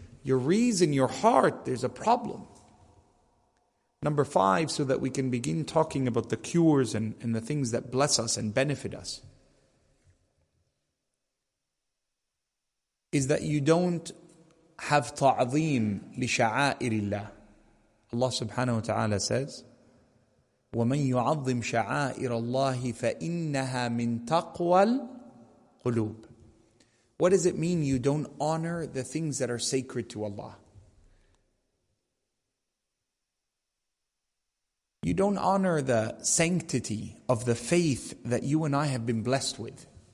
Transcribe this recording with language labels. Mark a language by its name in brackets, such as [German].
[English] Your reason, your heart, there's a problem. Number five, so that we can begin talking about the cures and the things that bless us and benefit us, is that you don't have ta'zeem li sha'airillah. [Arabic] Allah subhanahu wa ta'ala says, وَمَنْ يُعَظِّمْ شَعَائِرَ اللَّهِ فَإِنَّهَا مِنْ تَقْوَى الْقُلُوبِ. [English] What does it mean you don't honor the things that are sacred to Allah? You don't honor the sanctity of the faith that you and I have been blessed with.